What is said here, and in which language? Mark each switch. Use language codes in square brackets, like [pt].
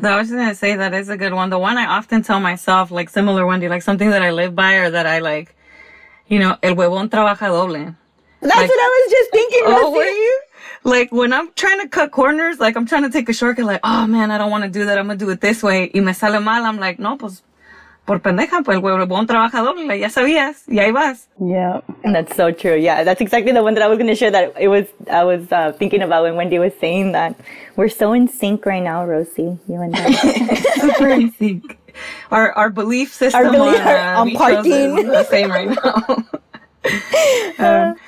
[en] So I was just going to say, that is a good one. The one I often tell myself, like, similar, Wendy, like, something that I live by, or that I, like, you know, [es] el huevón trabaja doble. [en] That's like, what I was just thinking. Oh, were you? Like, when I'm trying to cut corners, like, I'm trying to take a shortcut, like, oh, man, I don't want to do that. I'm going to do it this way. [es] Y me sale mal. [en] I'm like, [es] no, pues, por pendeja, pues, el huevón trabaja doble. Like, ya sabías. Y ahí vas. [en] Yeah. And that's so true. Yeah, that's exactly the one that I was going to share that I was thinking about when Wendy was saying that. We're so in sync right now, Rosie. You and I. Super in sync. Our belief system on parking is the same right now.